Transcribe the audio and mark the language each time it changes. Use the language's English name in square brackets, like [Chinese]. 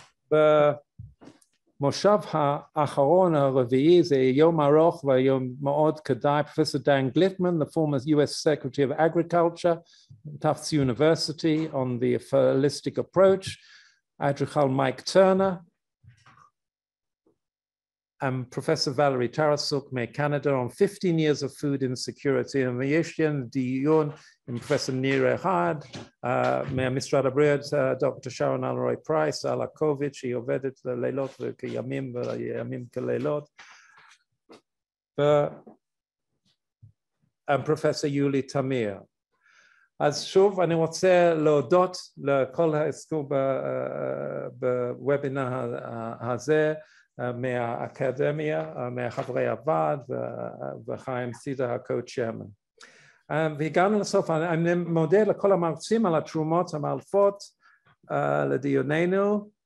[Hebrew] במושב האחרון הרביעי, זה יום ארוך ויום מאוד כדאי, פרופסור דן גליטמן, the former U.S. [English] Secretary of Agriculture, Tufts University, on the holistic approach, אדריכל מייק טרנר, I'm Professor Valerie Tarasuk from Canada on 15 years of food insecurity and we have a discussion with Professor Nir Ehad from the Ministry of Health, Dr. Sharon Alroy Price on COVID, who worked for the night and the days and the days and the nights. And Professor Yuli Tamir. [Hebrew] אז שוב אני רוצה להודות לכל העסקים בוובינר הזה, מהאקדמיה, מהחברי הוועד וחיים סידר, הקו-צ'רמן. והגענו לסוף, אני מודה לכל המרצים על התרומות המאלפות לדיוננו.